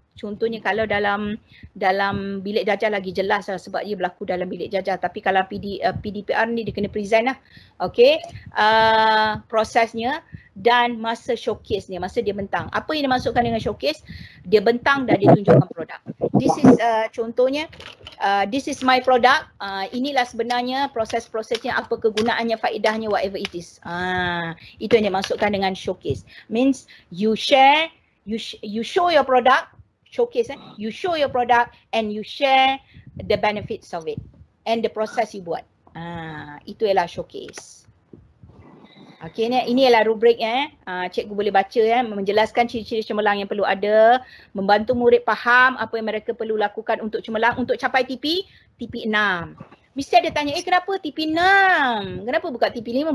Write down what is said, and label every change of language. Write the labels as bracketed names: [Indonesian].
[Malay] Contohnya kalau dalam bilik jajah lagi jelas lah sebab dia berlaku dalam bilik jajah. Tapi kalau PDPR ni dia kena present lah. Okay. Prosesnya dan masa showcase ni, masa dia bentang. Apa yang dimasukkan dengan showcase? Dia bentang dan dia tunjukkan produk. [English] This is [Malay] contohnya, [English] this is my product. [Malay] Inilah sebenarnya proses-prosesnya, apa kegunaannya, faedahnya, [English] whatever it is. [Malay] Itu yang dimasukkan dengan showcase. [English] Means you share, you show your product, showcase you show your product and you share the benefits of it and the process you [Malay] buat. Itu ialah showcase. Okay, ini ialah rubrik cikgu boleh baca menjelaskan ciri-ciri cemerlang yang perlu ada, membantu murid faham apa yang mereka perlu lakukan untuk cemerlang, untuk capai TP 6. Mesti ada tanya, kenapa TP 6? Kenapa bukan TP 5?